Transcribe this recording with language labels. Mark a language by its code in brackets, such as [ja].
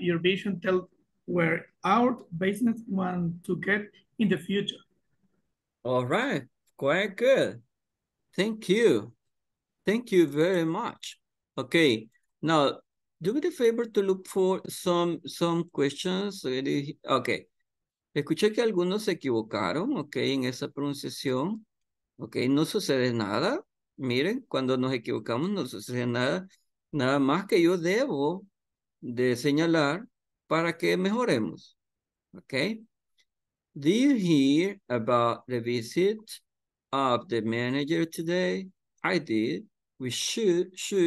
[en] Your vision tells where our business wants to get in the future. All right. Quite good. Thank you. Thank you very much. Okay. Now, do me the favor to look for some questions. Okay. [es] Escuché que algunos se equivocaron, ok, en esa pronunciación. Ok, no sucede nada. Miren, cuando nos equivocamos no sucede nada. Nada más que yo debo de señalar para que mejoremos. Ok. [en] Did you hear about the visit of the manager today? I did. We should.